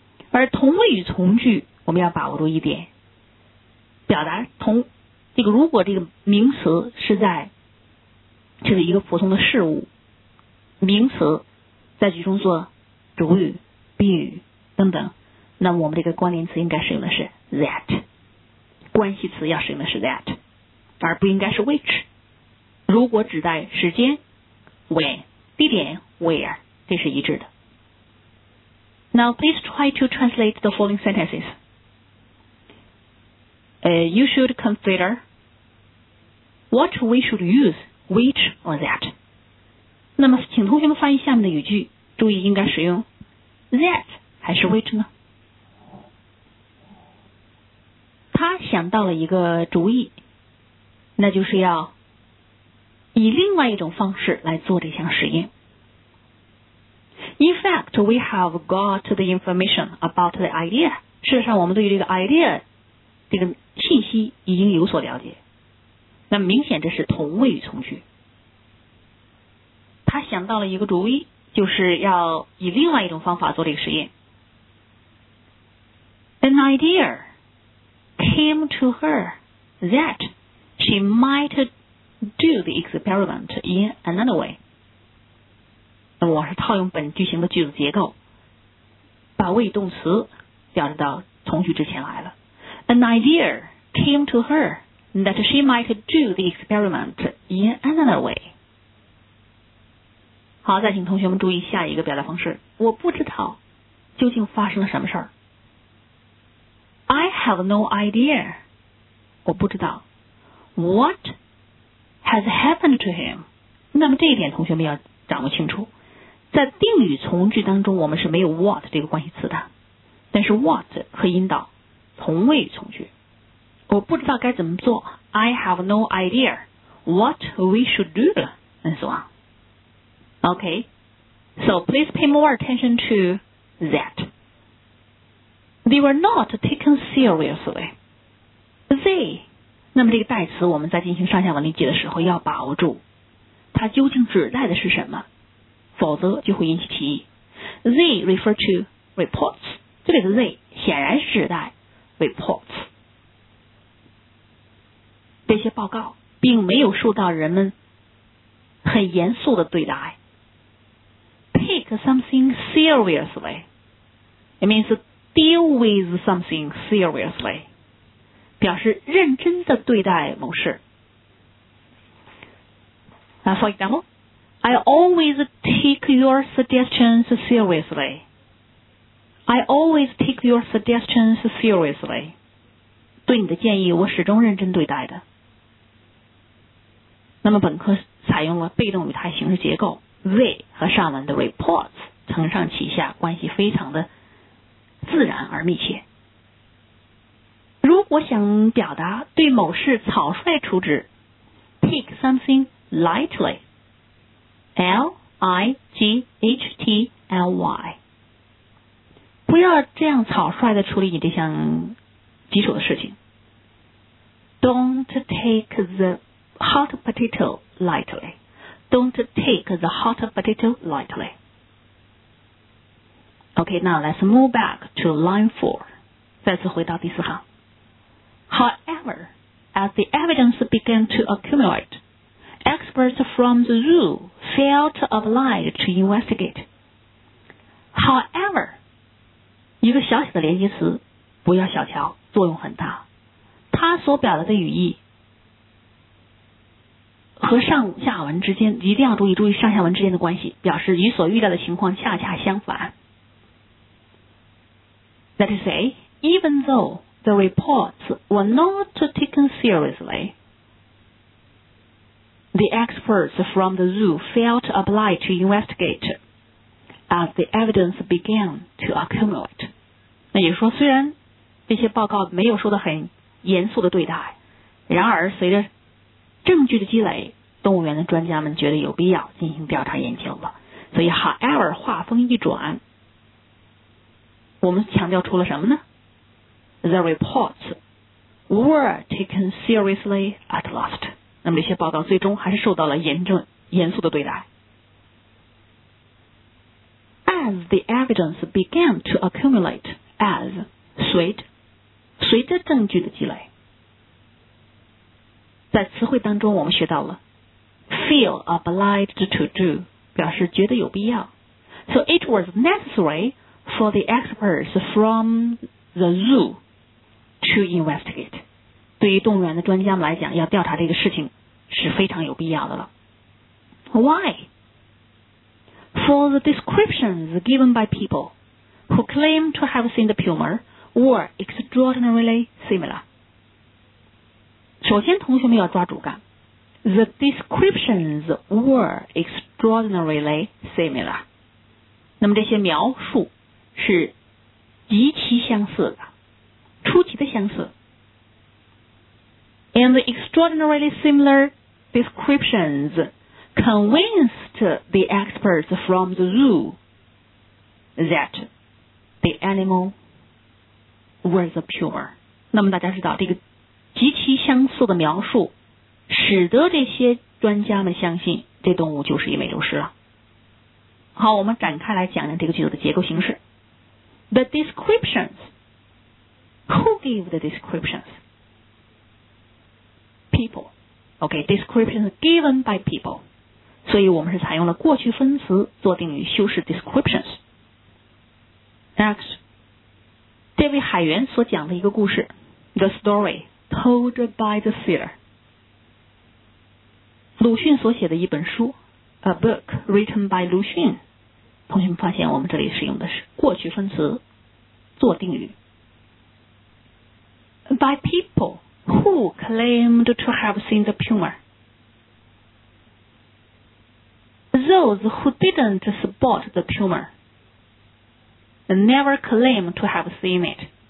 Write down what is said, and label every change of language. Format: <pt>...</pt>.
<zh>而同位语从句我们要把握住一点，表达同这个，如果这个名词是在就是一个普通的事物，名词在句中做主语、宾语等等，那我们这个关联词应该使用的是 that， 关系词要使用的是 that， 而不应该是 which。如果指代时间 when， 地点 where， 这是一致的。</zh> <en>Now please try to translate the following sentences. You should consider what we should use which or that.</en> <zh>那么请同学们翻译下面的语句，注意应该使用that 还是 which 呢？他想到了一个主意，那就是要以另外一种方式来做这项实验。</zh> <en>In fact, we have got the information about the idea.</en> <zh>事实上，我们对于这个 idea 这个信息已经有所了解。那明显这是同位语从句。他想到了一个主意，就是要以另外一种方法做这个实验。</zh> <en>An idea came to her that she might do the experiment in another way.</en> <zh>那么我是套用本句型的句子结构，把谓语动词调置到从句之前来了。</zh> <en>An idea came to her that she might do the experiment in another way.</en> <zh>好，再请同学们注意下一个表达方式。我不知道究竟发生了什么事儿。</zh> <en>I have no idea.</en> <zh>我不知道</zh> <en>what has happened to him.</en> <zh>那么这一点同学们要掌握清楚。在定语从句当中，我们是没有 what 这个关系词的，但是 what 可以引导同位语从句。我不知道该怎么做</zh> <en>I have no idea what we should do and so on. Okay, so please pay more attention to that. They were not taken seriously.</en> <zh>They, 那么这个代词我们在进行上下文例句的时候要把握住它究竟指代的是什么，否则就会引起歧义。</zh> <en>They refer to reports,</en> <zh>这里的 they 显然是指代 reports。这些报告并没有受到人们很严肃的对待。</zh> <en>Take something seriously It means deal with something seriously</en> <zh>表示认真的对待某事。</zh> <en>For example I always take your suggestions seriously I always take your suggestions seriously</en> <zh>对你的建议我始终认真对待的。那么本科采用了被动语态形式结构 they 和上文的 reports 承上启下关系非常的自然而密切。如果想表达对某事草率处置</zh> <en>take something lightly</en> <zh>L-I-G-H-T-L-Y 不要这样草率的处理你这项棘手的事情</zh> <en>Don't take theHot potato lightly. Don't take the hot potato lightly. Okay, now let's move back to line 4.</en> <zh>再次回到第四行。</zh> <en>However, as the evidence began to accumulate, experts from the zoo felt obliged to investigate.</en> <zh>However, 一个小小的连接词不要小瞧作用很大。它所表达的语义和上下文之间一定要注意上下文之间的关系，表示与所遇到的情况恰恰相反。</zh> <en>That is say, even though the reports were not taken seriously, the experts from the zoo felt obliged to investigate as the evidence began to accumulate.</en> <zh>那也就是说，虽然这些报告没有受到很严肃的对待，然而随着证据的积累，动物园的专家们觉得有必要进行调查研究了。所以 however 话锋一转，我们强调出了什么呢？</zh> <en>The reports were taken seriously at last.</en> <zh>那么这些报告最终还是受到了严肃的对待。</zh> <en>As the evidence began to accumulate as</en> <zh>随着证据的积累，在词汇当中我们学到了</zh> <en>feel obliged to do</en> <zh>表示觉得有必要。</zh> <en>So it was necessary for the experts from the zoo to investigate.</en> <zh>对于动物园的专家们来讲，要调查这个事情是非常有必要的了。</zh> <en>Why? For the descriptions given by people who claim to have seen the puma were extraordinarily similar.</en> <zh>首先同学们要抓主干，</zh> <en>The descriptions were extraordinarily similar.</en> <zh>那么这些描述是极其相似的，出奇的相似。</zh> <en>And the extraordinarily similar descriptions convinced the experts from the zoo that the animal was a puma.</en> <zh>那么大家知道这个极其相似的描述使得这些专家们相信这动物就是一美洲狮了。好，我们展开来讲讲这个句子的结构形式。</zh> <en>The descriptions. Who gave the descriptions? People. Okay, descriptions given by people.</en> <zh>所以我们是采用了过去分词做定语修饰 descriptions.</zh> <en>Next.</en> <zh>这位海员所讲的一个故事</zh> <en>The story told by the sailor.</en> <zh>鲁迅所写的一本书</zh> <en>A book written by</en> <zh>鲁迅。同学们发现我们这里使用的是过去分词做定语。</zh> <en>By people who claimed to have seen the puma. Those who didn't spot the puma never claimed to have seen it.</en>